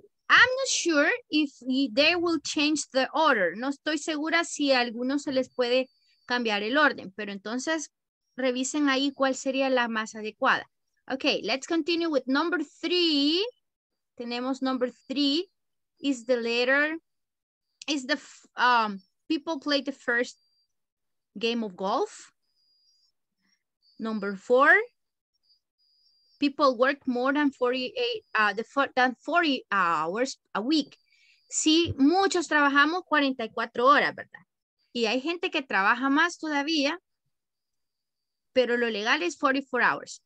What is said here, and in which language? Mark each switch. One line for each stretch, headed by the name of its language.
English: I'm not sure if they will change the order.
Spanish: No estoy segura si a algunos se les puede cambiar el orden. Pero entonces, revisen ahí cuál sería la más adecuada.
English: Okay, let's continue with number 3.
Spanish: Tenemos
English: number 3. Is the letter, is the people play the first game of golf. Number 4, people work more than 40 hours a week.
Spanish: Sí, muchos trabajamos 44 horas, ¿verdad? Y hay gente que trabaja más todavía, pero lo legal es 44 hours.